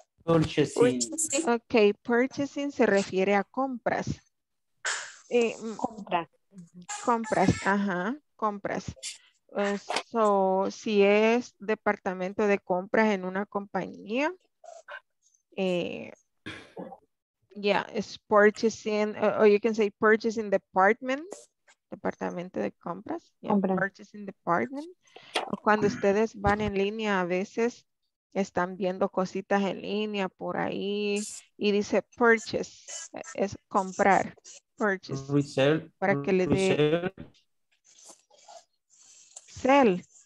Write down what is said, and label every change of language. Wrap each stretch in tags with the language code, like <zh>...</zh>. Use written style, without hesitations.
<en>Purchasing.</en> <es>Okay, purchasing se refiere a compras. Compras. Ajá, compras. So si es departamento de compras en una compañía.</es> <en>It's purchasing, or you can say purchasing department,</en> <es>departamento de compras,</es> <en>purchasing department.</en> <es>Cuando ustedes van en línea, a veces están viendo cositas en línea por ahí y dice purchase, es comprar, purchase,</es> <en>resell,</en> <es>para que le dé sell,</es>